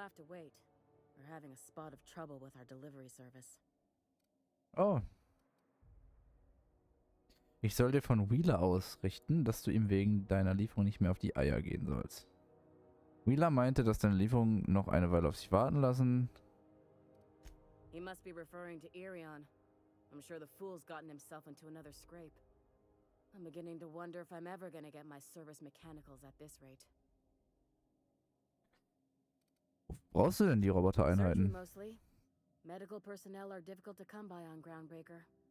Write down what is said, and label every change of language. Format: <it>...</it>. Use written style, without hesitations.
<en>We're having a spot of trouble with our delivery service. Oh.</en> <de>Ich soll dir von Wheeler ausrichten, dass du ihm wegen deiner Lieferung nicht mehr auf die Eier gehen sollst. Wheeler meinte, dass deine Lieferung noch eine Weile auf sich warten lassen.</de> <en>He must be referring to Irion. I'm sure the fool's gotten himself into another scrape. I'm beginning to wonder if I'm ever gonna get my service mechanicals at this rate.</en> <de>Brauchst du denn die Robotereinheiten?</de> <en>Medical personnel are difficult to come by on Groundbreaker.</en>